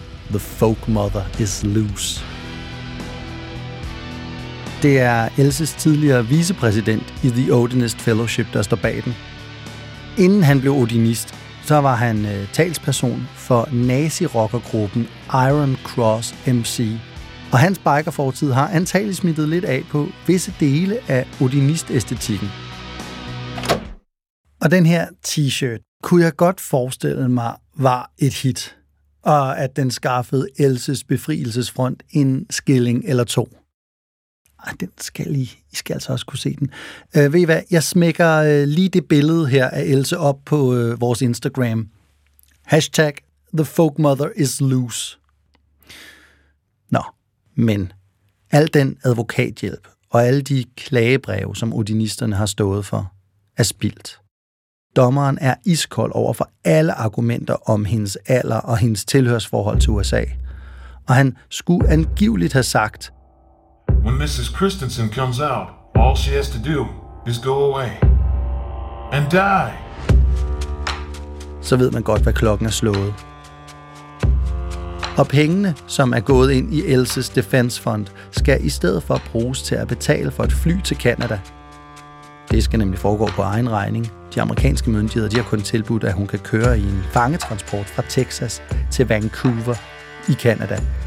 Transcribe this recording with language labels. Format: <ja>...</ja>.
<en>The folk mother is loose.</en> <da>Det er Elses tidligere vicepræsident i The Odinist Fellowship, der står bag den. Inden han blev odinist, så var han talsperson for nazi-rockergruppen Iron Cross MC. Og hans bikerfortid har antagelig smittet lidt af på visse dele af odinist-æstetikken. Og den her t-shirt kunne jeg godt forestille mig var et hit. Og at den skaffede Elses befrielsesfront en skilling eller to. Ej, den skal I. I skal altså også kunne se den. Ved I hvad? Jeg smækker lige det billede her af Else op på vores Instagram.</da> <en>Hashtag The Folk Mother is Loose.</en> <da>Nå, men al den advokathjælp og alle de klagebreve, som odinisterne har stået for, er spildt. Dommeren er iskold over for alle argumenter om hendes alder og hendes tilhørsforhold til USA. Og han skulle angiveligt have sagt:</da> <en>When Mrs. Christensen comes out, all she has to do is go away and die.</en> <da>Så ved man godt, hvad klokken er slået. Og pengene, som er gået ind i Elses Defense Fund, skal i stedet for bruges til at betale for et fly til Canada. Det skal nemlig foregå på egen regning. De amerikanske myndigheder, de har kun tilbudt, at hun kan køre i en fangetransport fra Texas til Vancouver i Canada.</da>